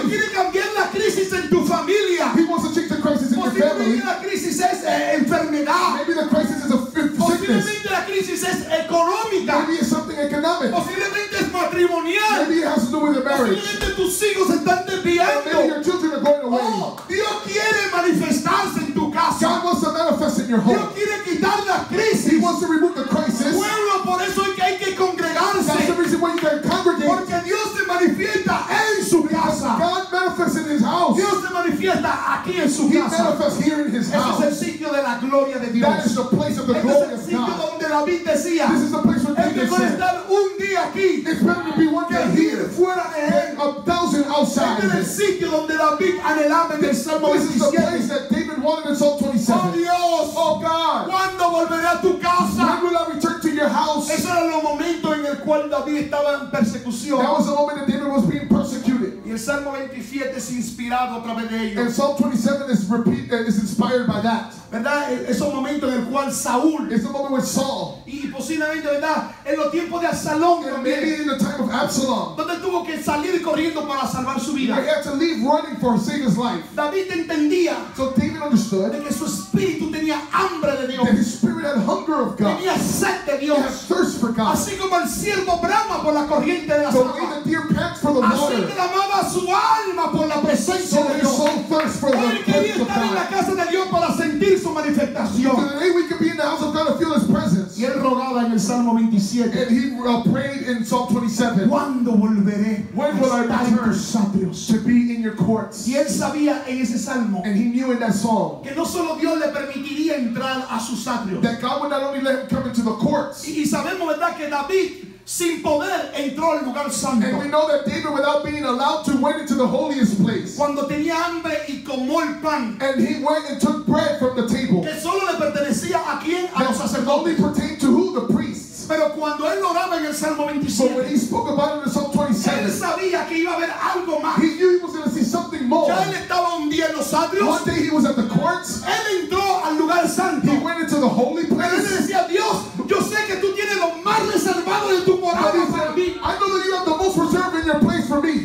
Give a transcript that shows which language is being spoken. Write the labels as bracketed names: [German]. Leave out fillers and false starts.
[Spanish] Dios quiere cambiar la crisis en tu familia. [English] He wants to change the crisis in your family. [Spanish] Posiblemente la crisis es enfermedad. [English] Maybe the crisis is a sickness. [Spanish] Posiblemente la crisis es económica. [English] Maybe it's something economic. [Spanish] Posiblemente es matrimonial. [English] Maybe it has to do with the marriage. [Spanish] Posiblemente tus hijos están desviando. [English] Maybe your children are going away. [Spanish] Dios quiere manifestarse en tu casa. [English] God wants to manifest in your home. [Spanish] Dios quiere quitar la crisis. [English] He wants to remove the crisis. [Spanish] Pueblo, por eso es que hay que congregarse. [English] That's the reason why you can congregate. [Spanish] Porque Dios se manifiesta en su casa. [English] God manifests in his house. [Spanish] Dios se manifiesta aquí en su [English] he [Spanish] casa. [English] He manifests here. God. [Spanish] Ese es el sitio de la gloria de Dios. [English] That is the place of the glory of God. [Spanish] Es el sitio donde David decía. [English] This is the place where David said. [Spanish] Es mejor estar un día aquí. [English] It's better to be one day here. [Spanish] Fuera de él. [English] A thousand outside. [Spanish] Es el sitio donde David anhelaba en el Salmo 27. [English] This is the place that David wanted in Psalm 27. [Spanish] Oh Dios. [English] Oh God. [Spanish] ¿Cuándo volveré a tu casa? [English] When will I return to your house? [Spanish] Ese era el momento en el cual David estaba en persecución. [English] That was the moment that David was being persecuted. [Spanish] Y el Salmo 27 es inspirado otra vez de ellos. [English] And Psalm 27 is inspired by that. [Spanish] ¿Verdad? Es un momento en el cual Saúl. [English] It's the moment with Saul. [Spanish] Y posiblemente, ¿verdad? En los tiempos de Absalón. [English] And maybe in the time of Absalom. [Spanish] Donde tuvo que salir corriendo para salvar su vida. [English] He had to leave running for saving his life. [Spanish] David entendía. [English] So David understood. [Spanish] De que su espíritu tenía hambre de Dios. [English] That his spirit had hunger of God. [Spanish] Tenía sed de Dios. [English] He had thirst for God. [Spanish] Así como el ciervo brama por la corriente de las aguas. [English] The way the deer pants for the water. [Spanish] Así clamaba su alma por la presencia [English] so [Spanish] de Dios. [English] So his soul thirsts for the presence of God. [Spanish] Porque quería estar en la casa de Dios para sentir su manifestación. [English] So today we can be in the house of God to feel his presence. [Spanish] Y él rogaba en el Salmo 27. [English] And he prayed in Psalm 27. [Spanish] ¿Cuándo volveré? [English] When will I return to be in your courts? [Spanish] Y él sabía en ese salmo. [English] And he knew in that psalm. [Spanish] Que no solo Dios le permitiría entrar a sus atrios. [English] That God would not only let him come into the courts. [Spanish] Y sabemos, ¿verdad?, que David sin poder entró al lugar santo. [English] And we know that David, without being allowed to, went into the holiest place. [Spanish] Cuando tenía hambre y comió el pan. [English] And he went and took bread from the table. [Spanish] Que solo le pertenecía a quién, a los sacerdotes. [English] Only pertained to who, the priests. [Spanish] Pero cuando él oraba en el Salmo 27. [English] But when he spoke about it in Psalm 27. [Spanish] Él sabía que iba a haber algo más. [English] He knew he was going to see something more. [Spanish] Ya él estaba un día en los atrios. [English] One day he was at the courts. [Spanish] Él entró al lugar santo. [English] He went into the holy place. [Spanish] Pero él decía, Dios, yo sé que tú tienes lo más reservado de tu morada para mí. [English] I know that you have the most reserved in your place for me.